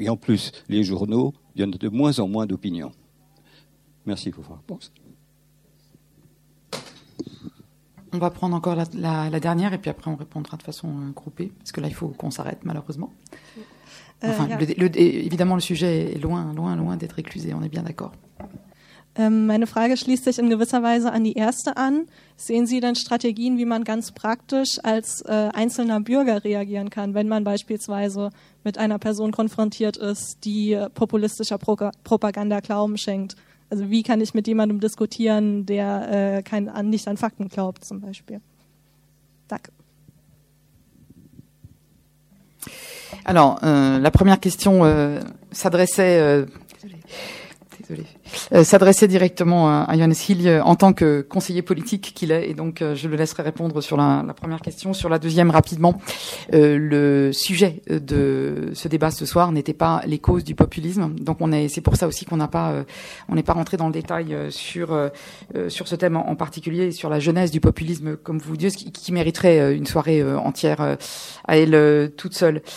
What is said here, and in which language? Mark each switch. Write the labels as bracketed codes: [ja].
[fr] Et en plus, les journaux, il y en a de moins en moins d'opinions. Merci pour votre réponse. On va prendre encore la dernière et puis après on répondra de façon groupée parce que là il faut qu'on s'arrête malheureusement. Enfin, évidemment le sujet est loin, loin, loin d'être éclusé, on est bien d'accord. [de] Meine Frage schließt sich in gewisser Weise an die erste an. Sehen Sie denn Strategien, wie man ganz praktisch als einzelner Bürger reagieren kann, wenn man beispielsweise mit einer Person konfrontiert ist, die populistischer Propaganda Glauben schenkt? Also wie kann ich mit jemandem diskutieren, der nicht an Fakten glaubt, zum Beispiel? Danke. [fr] Alors, la première question s'adressait... s'adresser directement à Johannes Hill en tant que conseiller politique qu'il est, et donc je le laisserai répondre sur la première question. Sur la deuxième, rapidement, le sujet de ce débat ce soir n'était pas les causes du populisme, donc c'est pour ça aussi qu'on n'a pas, on n'est pas rentré dans le détail sur ce thème en particulier, sur la genèse du populisme, comme vous dites, qui mériterait une soirée entière à elle toute seule.